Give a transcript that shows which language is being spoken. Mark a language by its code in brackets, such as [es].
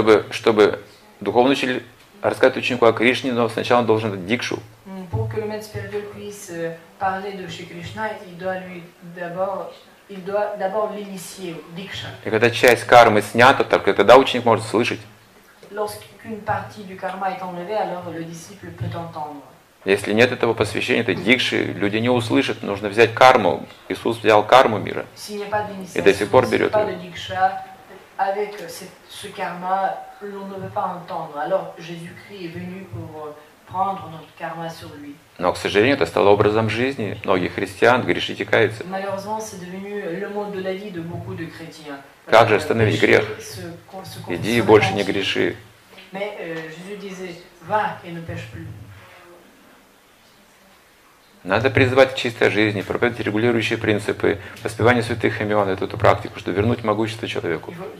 [ru] Чтобы духовный учитель рассказать ученику о Кришне, но сначала он должен дать дикшу. [fr] Pour que le maître spirituel puisse parler de Shri Krishna, il doit d'abord l'initier, diksha. [ru] И когда часть кармы снята, только тогда ученик может слышать. [fr] Lorsqu'une partie du karma est enlevée, alors le disciple peut entendre. [ru] Если нет этого посвящения, этой дикши, люди не услышат. Нужно взять карму. Иисус взял карму мира. [fr] S'il n'y a pas d'initiation, [ru] и до сих пор берет. [fr] Pas de diksha, avec ce karma, l'on ne peut pas entendre. Alors Jésus-Christ est venu pour prendre notre karma sur lui. [ru] Но, к сожалению, это стало образом жизни многих христиан, грешить и каяться. [fr] Malheureusement, c'est devenu le mode de la vie de beaucoup de chrétiens. [ru] Как же остановить грех? Иди и больше не греши. [fr] Mais Jésus disait, va et ne pêche plus. [ru] Надо призывать к чистой жизни, проповедовать регулирующие принципы, воспевание святых имен, эту практику, чтобы вернуть могущество человеку.